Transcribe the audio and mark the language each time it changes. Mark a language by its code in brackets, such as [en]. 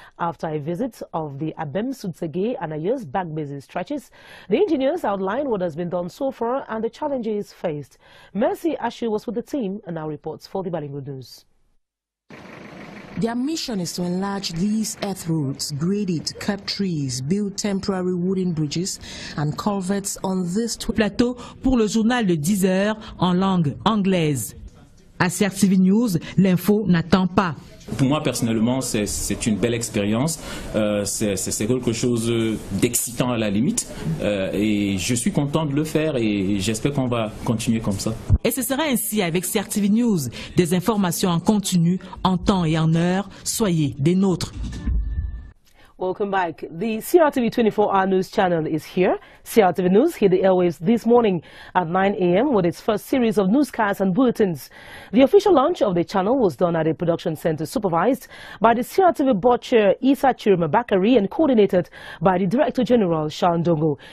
[en] After a visit of the Abem Sutsege and Ayers back busy stretches, the engineers outlined what has been done so far and the challenges faced. Mercy Ashu was with the team and now reports for the Balingo News. Their mission is to enlarge these earth roads, grade it, cut trees, build temporary wooden bridges and culverts on this [fr] plateau pour le journal de 10 heures en langue anglaise. À CRTV News, l'info n'attend pas. Pour moi personnellement, c'est une belle expérience, c'est quelque chose d'excitant à la limite et je suis content de le faire et j'espère qu'on va continuer comme ça. Et ce sera ainsi avec CRTV News, des informations en continu, en temps et en heure, soyez des nôtres. [en] Welcome back. The CRTV 24-hour news channel is here. CRTV News hit the airwaves this morning at 9 a.m. with its first series of newscasts and bulletins. The official launch of the channel was done at a production center supervised by the CRTV board chair Isa Chiruma Bakari and coordinated by the director general Sean Dongo.